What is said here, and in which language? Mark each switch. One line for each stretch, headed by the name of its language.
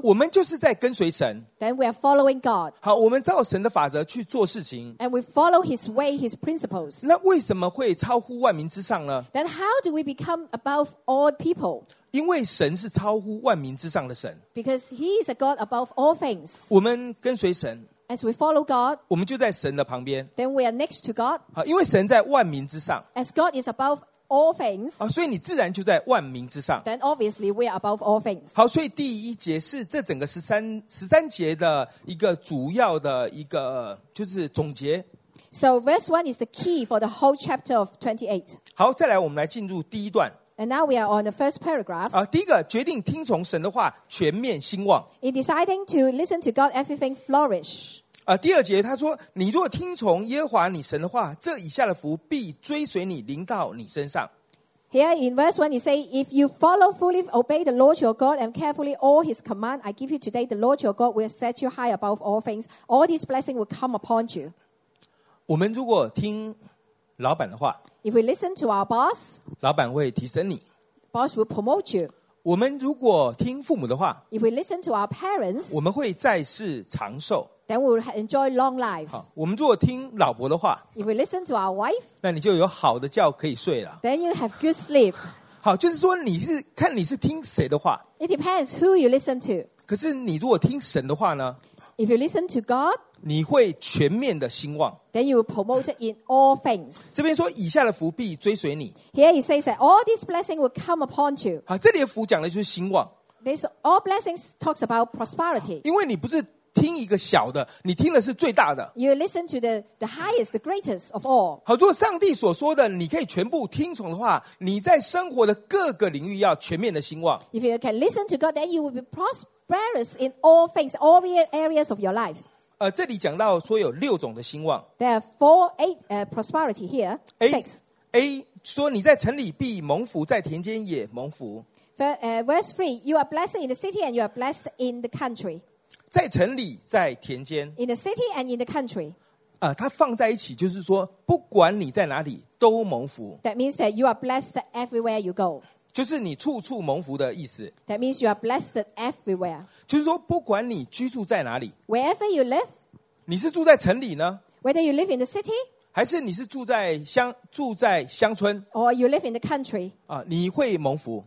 Chinese: 我们就是在跟随神。
English: Then we are following God.
Chinese: 好，我们照神的法则去做事情。
English: And we follow His way, His principles.
Chinese: 那为什么会超乎万民之上呢？
English: Then how do we become above all people?
Chinese: 因为神是超乎万民之上的神。
English: Because He is a God above all things.
Chinese: 我们跟随神。
English: As we follow God.
Chinese: 我们就在神的旁边。
English: Then we are next to God.
Chinese: 好，因为神在万民之上。
English: As God is above all things.
Chinese: 所以你自然就在万民之上。
English: Then obviously we are above all things.
Chinese: 好，所以第一节是这整个十三节的一个主要的一个就是总结。
English: So verse 1 is the key for the whole chapter of 28.
Chinese: 好，再来我们来进入第一段。
English: And now we are on the first paragraph.
Chinese: 第一个决定听从神的话，全面兴旺。
English: In deciding to listen to God, everything flourish.
Chinese: 第二节他说，你若听从耶和华你神的话，这以下的福必追随你，临到你身上。
English: Here in verse 1 he says, if you follow fully obey the Lord your God and carefully all his command I give you today, the Lord your God will set you high above all things. All these blessings will come upon you.
Chinese: 我们如果听老板的话。
English: If we listen to our boss,
Chinese: 老板会提升你。
English: Boss will promote you.
Chinese: 我们如果听父母的话。
English: If we listen to our parents,
Chinese: 我们会在世长寿。
English: Then we will enjoy long life.
Chinese: 好，我们如果听老婆的话。
English: If we listen to our wife,
Chinese: 那你就有好的觉可以睡了。
English: Then you have good sleep.
Chinese: 好，就是说你是看你是听谁的话。
English: It depends who you listen to.
Chinese: 可是你如果听神的话呢？
English: If you listen to God,
Chinese: 你会全面的兴旺。
English: Then you will promote it in all things.
Chinese: 这边说以下的福必追随你。
English: Here he says that all these blessings will come upon you.
Chinese: 好，这里的福讲的就是兴旺。
English: This all blessings talks about prosperity.
Chinese: 因为你不是听一个小的，你听的是最大的。
English: You listen to the highest, the greatest of all.
Chinese: 好，如果上帝所说的你可以全部听从的话，你在生活的各个领域要全面的兴旺。
English: If you can listen to God, then you will be prosperous in all things, all the areas of your life.
Chinese: 这里讲到说有六种的兴旺。
English: There are four, eight, prosperity here. Six.
Chinese: A 说你在城里必蒙福，在田间也蒙福。
English: Verse three, you are blessed in the city and you are blessed in the country.
Chinese: 在城里，在田间。
English: In the city and in the country.
Chinese: 它放在一起就是说，不管你在哪里都蒙福。
English: That means that you are blessed everywhere you go.
Chinese: 就是你处处蒙福的意思。
English: That means you are blessed everywhere.
Chinese: 就是说，不管你居住在哪里
English: ，wherever you live，
Chinese: 你是住在城里呢
English: ？Whether you live in the city，
Chinese: 还是你是住在乡村
English: ，or you live in the country，
Chinese: 你会蒙福